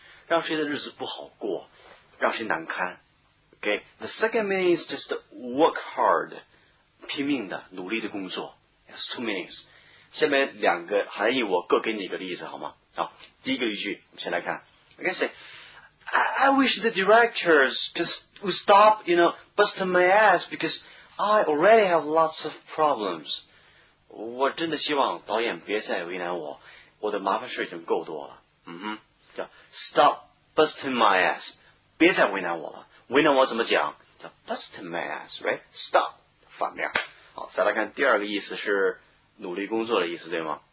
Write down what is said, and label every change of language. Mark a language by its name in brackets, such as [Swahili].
[Chinese] 让谁的日子不好过，让谁难堪。 [English] Okay? The second meaning is just to work hard, [Chinese] 拼命的，努力的工作。 [English] It's two meanings. [Chinese] 下面两个含义我各给你一个例子好吗？好，第一个语句我们先来看。 [English] Okay, say, I wish the directors would stop, you know, busting my ass because I already have lots of problems. [Chinese] 我真的希望导演别再为难我，我的麻烦事已经够多了。嗯哼，叫 [English] stop busting my ass, [Chinese] 别再为难我了。为难我怎么讲？叫 [English] busting my ass, right? Stop, [Chinese] 反面。好，再来看第二个意思是努力工作的意思，对吗？